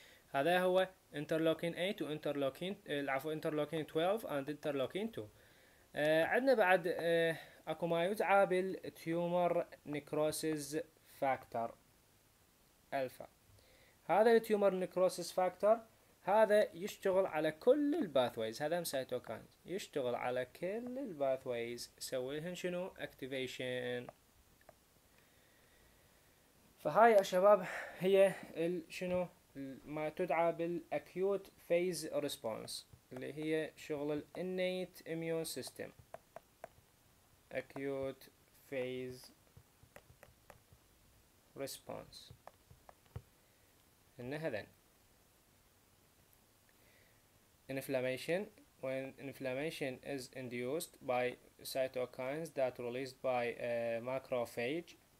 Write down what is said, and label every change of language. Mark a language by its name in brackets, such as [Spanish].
[Arabic] هذا هو interleukin 8 و interleukin العفو interleukin 12 and interleukin 2. عندنا بعد اكو ما يدعى بالتيومر نيكروسيس فاكتور الفا. هذا التيومر نيكروسيس فاكتور هذا يشتغل على كل الباثويز، هذا سيتوكاين يشتغل على كل الباثويز، يسوي لهم شنو اكتيفيشن. فهاي يا شباب هي شنو ما تدعى بالاكيوت فيز ريسبونس، اللي هي شغل الانيت اميون سيستم. [English] Acute phase response ان هذا inflammation when inflammation is induced by cytokines that released by macrophage.